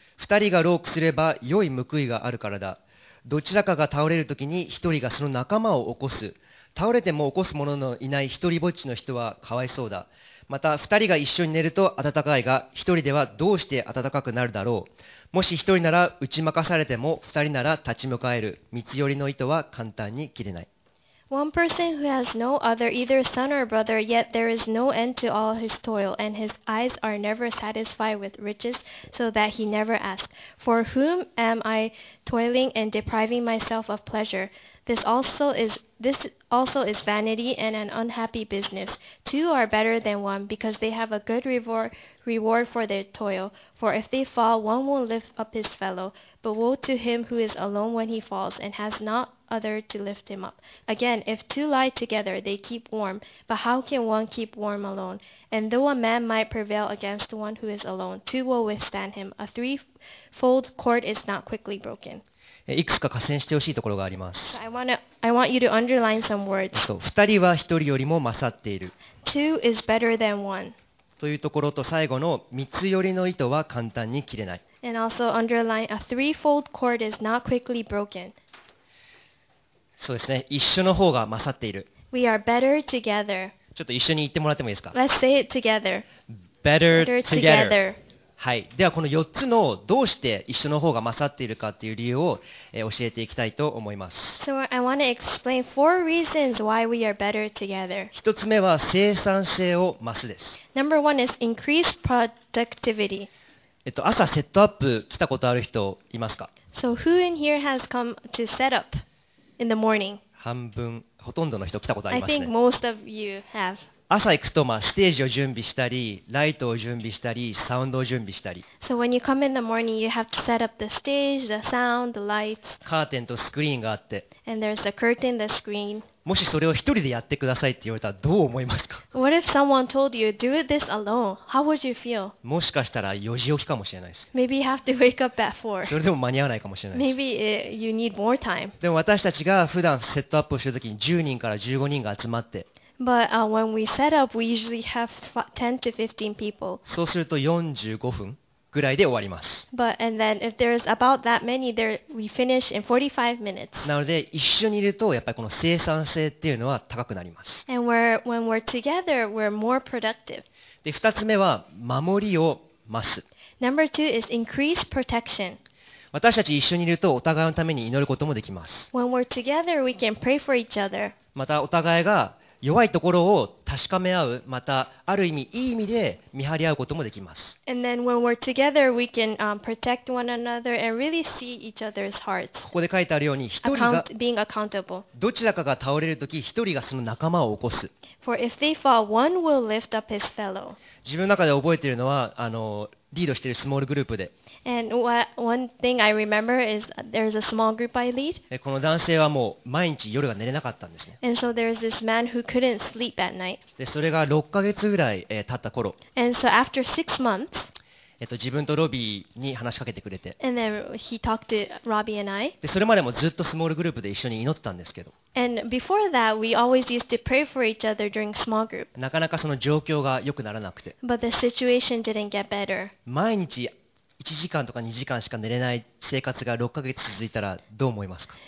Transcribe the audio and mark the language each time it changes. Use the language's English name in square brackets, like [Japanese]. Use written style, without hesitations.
[Japanese] 二人が労苦すれば良い報いがあるからだ。どちらかが倒れるときに一人がその仲間を起こす。倒れても起こす者のいない一人ぼっちの人はかわいそうだ。また二人が一緒に寝ると暖かいが、一人ではどうして暖かくなるだろう。もし一人なら打ち負かされても、二人なら立ち向かえる。三つ寄りの糸は簡単に切れない。 [English] One person who has no other, either son or brother, yet there is no end to all his toil, and his eyes are never satisfied with riches, so that he never asks, "For whom am I toiling and depriving myself of pleasure?" This also is vanity and an unhappy business. Two are better than one, because they have a good reward for their toil. For if they fall, one will lift up his fellow. But woe to him who is alone when he falls, and has not other to lift him up. Again, if two lie together, they keep warm. But how can one keep warm alone? And though a man might prevail against one who is alone, two will withstand him. A threefold cord is not quickly broken. [Japanese] いくつか加点してほしいところがあります。 [English] I want you to underline some words. [Japanese] 2人は1人よりも勝っている。 [English] Two is better than one. [Japanese] というところと、最後の3つ寄りの糸は簡単に切れない。 [English] And also underline, a threefold cord is not quickly broken. [Japanese] そうですね、一緒の方が勝っている。 [English] We are better together. [Japanese] ちょっと一緒に言ってもらってもいいですか。 [English] Let's say it together. Better together. [Japanese] はい、ではこの4つのどうして一緒の方が勝っているかという理由を教えていきたいと思います。 [English] So I want to explain four reasons why we are better together. [Japanese] 1つ目は生産性を増すです。 [English] Number one is increased productivity. [Japanese] 朝セットアップ来たことある人いますか。 [English] So who in here has come to set up in the morning? [Japanese] 半分、ほとんどの人来たことありますね。 [English] I think most of you have. [Japanese] 朝行くと、まあ、ステージを準備したり、ライトを準備したり、サウンドを準備したり。 [English] So when you come in the morning, you have to set up the stage, the sound, the lights. [Japanese] カーテンとスクリーンがあって。 [English] And there's the curtain, the screen. [Japanese] もしそれを一人でやってくださいって言われたらどう思いますか。 [English] What if someone told you, do this alone? How would you feel? [Japanese] もしかしたら4時起きかもしれないです。 [English] Maybe you have to wake up at 4. [Japanese] それでも間に合わないかもしれないです。 [English] Maybe you need more time. [Japanese] でも私たちが普段セットアップをしているときに10人から15人が集まって、 [English] But when we set up, we usually have 10 to 15 people. [Japanese] そうすると45分ぐらいで終わります。 [English] But and then if there's about that many, there we finish in 45 minutes. [Japanese] なので一緒にいるとやっぱりこの生産性っていうのは高くなります。 [English] And when we're together, we're more productive. [Japanese] で、二つ目は守りを増す。 [English] Number two is increased protection. [Japanese] 私たち一緒にいるとお互いのために祈ることもできます。 [English] When we're together, we can pray for each other. [Japanese] またお互いが弱いところを確かめ合う、またある意味いい意味で見張り合うこともできます。 [English] And then when we're together, we can protect one another and really see each other's hearts. [Japanese] ここで書いてあるように、一人が [English] being accountable. [Japanese] どちらかが倒れるとき、一人がその仲間を起こす。 [English] For if they fall, one will lift up his fellow. [Japanese] 自分の中で覚えているのは、リードしているスモールグループで。 [English] And one thing I remember is there's a small group I lead. [Japanese] この男性はもう毎日夜が寝れなかったんですね。 [English] And so there's this man who couldn't sleep at night. [Japanese] で、それが6ヶ月ぐらい経った頃。 [English] And so after 6 months, [Japanese] 自分とロビーに話しかけてくれて。 [English] And then he talked to Robbie and I. [Japanese] で、それまでもずっとスモールグループで一緒に祈ってたんですけど。 [English] And before that, we always used to pray for each other during small group. [Japanese] なかなかその状況が良くならなくて。 [English] But the situation didn't get better. [Japanese] 毎日1時間とか2時間しか寝れない生活が6ヶ月続いたらどう思いますか。